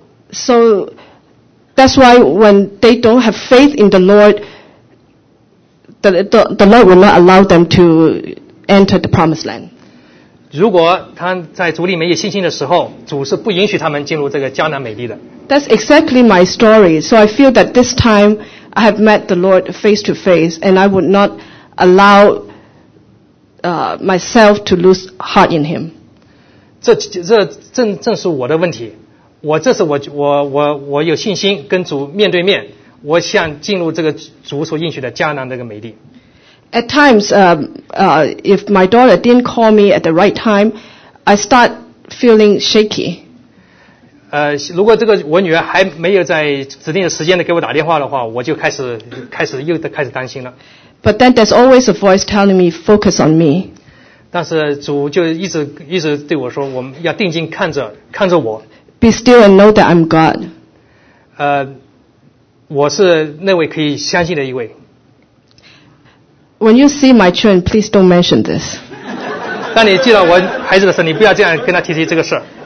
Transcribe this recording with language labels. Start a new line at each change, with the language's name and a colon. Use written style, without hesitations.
English: So that's why when they don't have faith in the Lord, the Lord will not allow them to enter the promised land.
Chinese: 如果他在主里没有信心的时候，主是不允许他们进入这个迦南美地的。
English: That's exactly my story. So I feel that this time I have met the Lord face to face, and I would not allow myself to lose heart in Him.
Chinese: 这正是我的问题。我这是我有信心跟主面对面，我想进入这个主所应许的迦南这个美地。
English: At times, if my daughter didn't call me at the right time, I start feeling shaky.
Chinese: 如果这个我女儿还没有在指定的时间内给我打电话的话，我就开始担心了。
English: But then there's always a voice telling me, focus on me.
Chinese: 但是主就一直对我说，我们要定睛看着我。
English: Be still and know that I'm God.
Chinese: 我是那位可以相信的一位。
English: When you see my children, please don't mention this.
Chinese: 当你见到我孩子的时候，你不要这样跟他提提这个事。